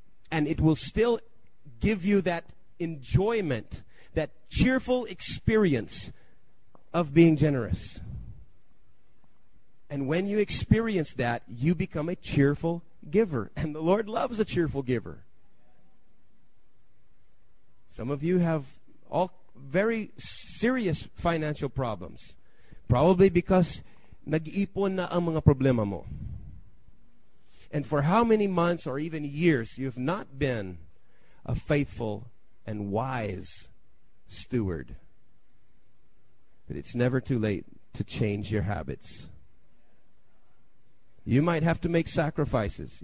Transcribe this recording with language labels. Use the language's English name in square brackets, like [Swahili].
[English] And it will still give you that enjoyment, that cheerful experience of being generous. And when you experience that, you become a cheerful giver. And the Lord loves a cheerful giver. Some of you have all very serious financial problems. Probably because [Filipino] nag-iipon na ang mga problema mo. [English] And for how many months or even years you've not been a faithful and wise steward. But it's never too late to change your habits. You might have to make sacrifices.